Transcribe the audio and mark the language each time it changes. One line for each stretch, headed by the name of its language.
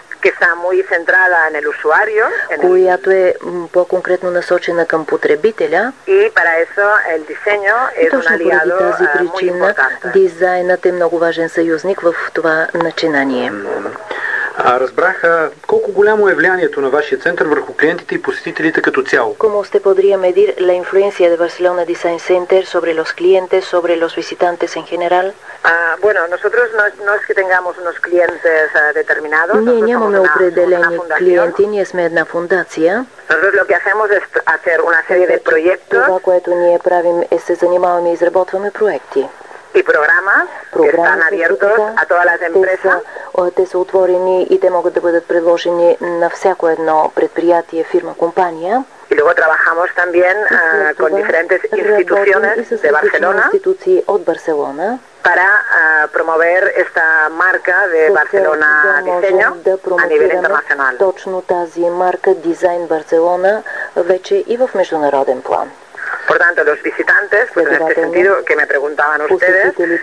Spanish: que está muy centrada en el usuario,
Bulgarian: която е по-конкретно насочена към потребителя.
Spanish: Y para eso el diseño es un aliado muy importante.
Bulgarian: И точно поради тази причина дизайнът е много важен съюзник в това начинание. Разбрах, колко голямо е влиянието на вашия център върху клиентите и посетителите като цяло?
Spanish: Como usted podría medir la influencia de Barcelona Design Center sobre los clientes, sobre los visitantes en general? Bueno, nosotros no es que tengamos unos clientes determinados.
Bulgarian: Ние нямаме определени клиенти, ние сме една фундация.
Spanish: Nosotros lo que hacemos es hacer una serie de proyectos.
Bulgarian: Това, което ние правим, е се занимаваме и изработваме проекти.
Spanish: Y programas están abiertos a todas las empresas.
Bulgarian: Те са отворени и те могат да бъдат предложени на всяко едно предприятие, фирма, компания.
Spanish: Y luego trabajamos también con diferentes instituciones de Barcelona.
Bulgarian: Институции от Барселона.
Spanish: Para promover esta marca de Barcelona Diseño
Bulgarian: да
Spanish: a nivel internacional.
Bulgarian: Точно тази марка Design Barcelona вече и в международен план.
Spanish: a los visitantes, pues en este sentido que me preguntaban ustedes.